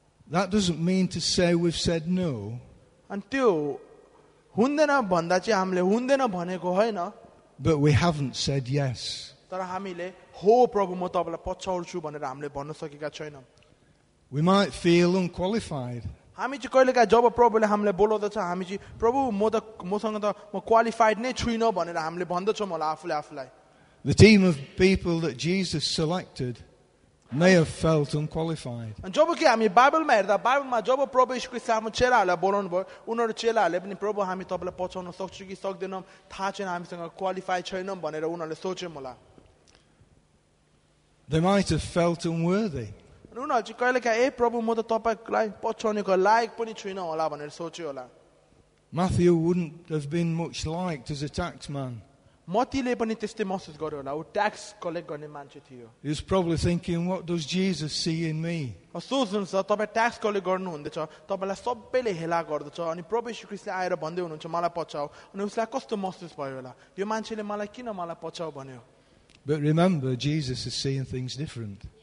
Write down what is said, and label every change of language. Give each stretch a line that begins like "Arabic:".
English: That doesn't mean to say we've said no.
Nepali: अनि त्यो हुँदैन भन्दा चाहिँ हामीले हुँदैन भनेको होइन
English: But we haven't said yes.
Nepali: तर हामीले हो प्रभु म तपाईँलाई पछ्याउँछु भनेर हामीले भन्न सकेका छैनौँ
English: We might feel unqualified.
Nepali: हामी चाहिँ कहिलेकाहीँ जब प्रभुले हामीलाई बोलाउँदछ हामी चाहिँ प्रभु म त मसँग त म क्वालिफाइड नै छुइनँ भनेर हामीले भन्दछौँ होला आफूले आफूलाई
English: The team of people that Jesus selected may have felt unqualified.
Nepali: जब कि हामी बाइबलमा हेर्दा बाइबलमा जब प्रभु येशू ख्रीष्ट आफ्नो चेलाहरूलाई बोलाउनु भयो उनीहरू चेलाहरूले पनि प्रभु हामी तपाईँलाई पछ्याउन सक्छु कि सक्दैनौँ थाहा छैन हामीसँग क्वालिफाई छैनौँ भनेर उनीहरूले सोच्यौँ होला
English: They might have felt unworthy.
Nepali: उनीहरू चाहिँ कहिलेकाहीँ ए प्रभु म त तपाईँलाई पछ्याउनेको लायक पनि छुइनँ होला भनेर सोच्यो होला
English: Matthew wouldn't have been much liked as a taxman.
Nepali: मतीले पनि त्यस्तै महसुस गर्यो होला ऊ ट्याक्स कलेक्ट गर्ने मान्छे थियो
English: He was probably thinking, what does Jesus see in me?
Nepali: सोच्नुहुन्छ तपाईँ ट्याक्स कलेक्ट गर्नुहुँदैछ तपाईँलाई सबैले हेला गर्दछ अनि प्रभु येशू ख्रीष्टले आएर भन्दै हुनुहुन्छ मलाई पछ्याऊ अनि उसलाई कस्तो महसुस भयो होला यो मान्छेले मलाई किन मलाई पछ्याऊ भन्यो
English: But remember, Jesus is seeing things different.